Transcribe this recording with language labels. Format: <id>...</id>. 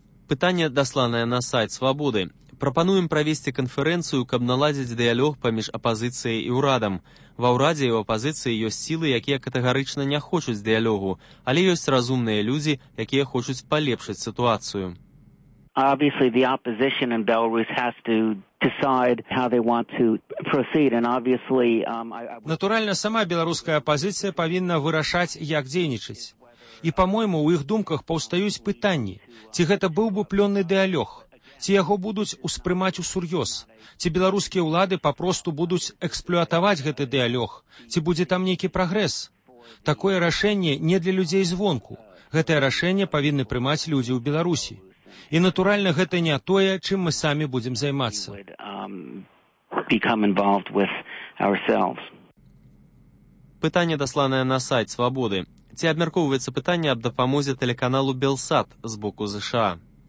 <be>Пытанне дасланае на сайт «Свабоды». Прапануем правесці канферэнцыю, каб наладзіць дыялог паміж апазіцыяй і ўрадам. Ва ўрадзе і ў апазіцыі ёсць сілы, якія катэгарычна не хочуць дыялогу, але ёсць разумныя людзі, якія хочуць палепшыць сітуацыю.</be> <en>Obviously, the opposition in Belarus has to decide how they want to proceed, and obviously,</en> <be>Натуральна, сама беларуская апазіцыя павінна вырашаць, як дзейнічаць. І, па-моему, у іх думках паўстаюць пытанні, ці гэта быў бы плённы дыялёг, ці яго будуць успрымаць усур'ёз, ці беларускія ўлады папросту будуць эксплуатаваць гэты дыялёг, ці будзе там нейкі прагрэс. Такое рашэнне не для людзей звонку. Гэтае рашэнне павінны прымаць людзі ў Беларусі. І, натуральна, гэта не тое, чым мы самі будзем займацца. Пытанне дасланае на сайт «Свабоды». Ці абмяркоўваецца пытанне аб дапамозе тэлеканалу «Белсат» з боку США?</be>